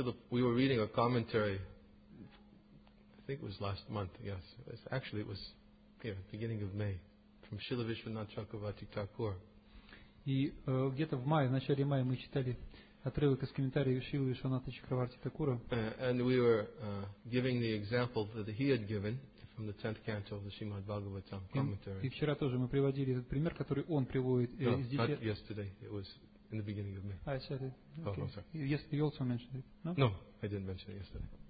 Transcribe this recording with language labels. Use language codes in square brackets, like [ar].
[en] We were reading a commentary, I think it was last month, yes. Actually, it was beginning of May, from Śrīla Viśvanātha Chakravarti Thakura. [ru] И где-то в мае, в начале мая, мы читали отрывок из комментария Шрилы Вишванатха Чакраварти Такура. [en] And we were giving the example that he had given from the 10th canto of the Śrīmad Bhāgavatam commentary. [ru] И вчера тоже мы приводили этот пример, который он приводит из детей. [en] Not yesterday. It was in the beginning of May. I said it. Okay. Oh, sorry. You also mentioned it. No? No, I didn't mention it yesterday.